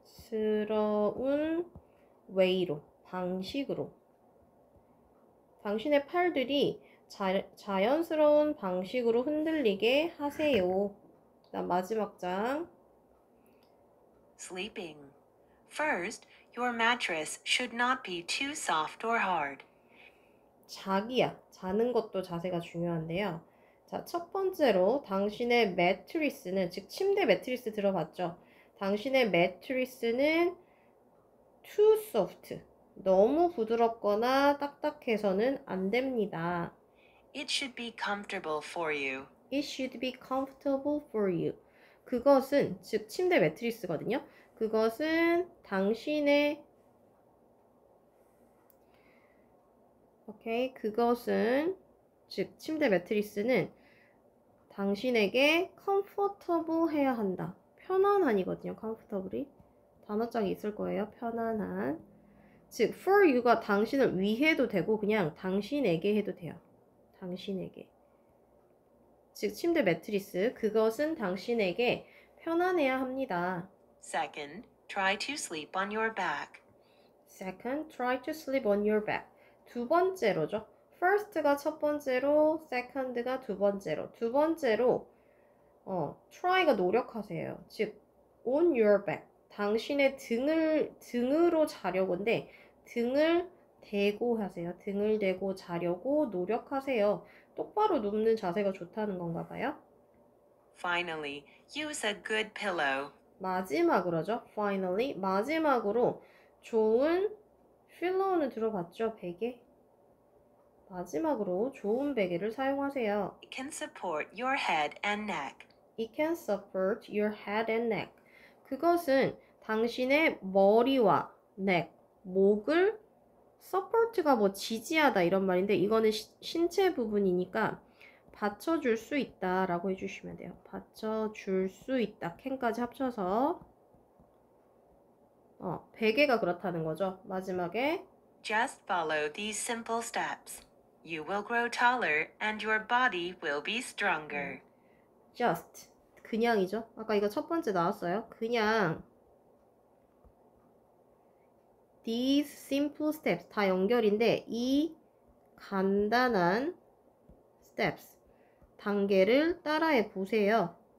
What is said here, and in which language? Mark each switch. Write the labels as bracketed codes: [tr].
[ko] 자연스러운 way로, 방식으로. 당신의 팔들이 자연스러운 방식으로 흔들리게 하세요. 그다음 마지막 장. [en] Sleeping. First, your mattress should not be too soft or hard. [ko] 자기야. 자는 것도 자세가 중요한데요. 자, 첫 번째로 당신의 매트리스는, 즉, 침대 매트리스 들어봤죠? 당신의 매트리스는 too soft. 너무 부드럽거나 딱딱해서는 안 됩니다. [en] It should be comfortable for you. It should be comfortable for you. [ko] 그것은, 즉, 침대 매트리스거든요. 그것은 당신의, okay, 그것은, 즉, 침대 매트리스는 당신에게 comfortable 해야 한다. 편안한이거든요, comfortably. 단어장이 있을 거예요, 편안한. 즉, for you가 당신을 위해도 되고, 그냥 당신에게 해도 돼요. 당신에게. 즉, 침대 매트리스, 그것은 당신에게 편안해야 합니다. [en] Second, try to sleep on your back. Second, try to sleep on your back. [ko] 두 번째로죠. First가 첫 번째로, second가 두 번째로. 두 번째로, try가 노력하세요. [en] 즉, on your back. [ko] 당신의 등으로 자려고인데, 등을 대고 하세요. 등을 대고 자려고 노력하세요. 똑바로 눕는 자세가 좋다는 건가 봐요. [en] Finally, use a good pillow. [ko] 마지막으로죠. Finally, 마지막으로 좋은 필로우는 들어봤죠. 베개. 마지막으로 좋은 베개를 사용하세요. [en] It can support your head and neck. It can support your head and neck. [ko] 그것은 당신의 머리와 neck, 목을 서포트가 뭐 지지하다 이런 말인데, 이거는 신체 부분이니까 받쳐줄 수 있다라고 해주시면 돼요. 받쳐줄 수 있다. can까지 합쳐서. 베개가 그렇다는 거죠. 마지막에. [en] Just follow these simple steps. You will grow taller and your body will be stronger. [ko] just. 그냥이죠. 아까 이거 첫 번째 나왔어요. 그냥. [en] These simple steps [ko] 다 연결인데, 이 간단한 steps 단계를 따라해 보세요.